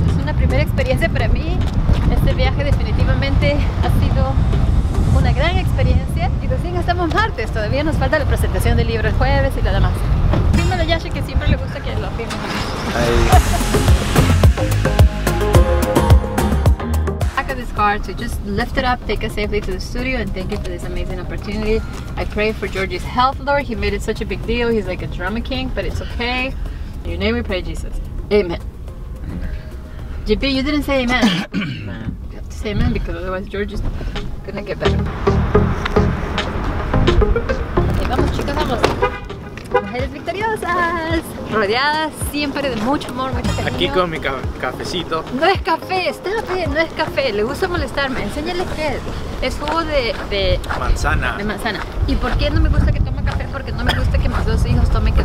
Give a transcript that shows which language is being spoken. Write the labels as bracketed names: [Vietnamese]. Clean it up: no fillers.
[Spanish] Es una primera experiencia para mí. Este viaje definitivamente ha sido una gran experiencia. Y recién estamos martes, todavía nos falta la presentación del libro el jueves y lo demás. Fírmalo, Yashi, que siempre le gusta que lo firme. [English] This car to just lift it up, take us safely to the studio, and thank you for this amazing opportunity. I pray for Georgie's health, Lord. He made it such a big deal. He's like a drama king, but it's okay. In your name we pray, Jesus. Amen. JP, you didn't say amen. You have to say amen because otherwise Georgie's gonna get better. [Spanish] Okay, vamos, chicas, vamos. Mujeres victoriosas, rodeadas siempre de mucho amor, mucho cariño. Aquí con mi cafecito. No es café, está bien, no es café, le gusta molestarme. Enséñales qué es. Es jugo de manzana. De manzana. ¿Y por qué no me gusta que tome café? Porque no me gusta que mis dos hijos tomen café.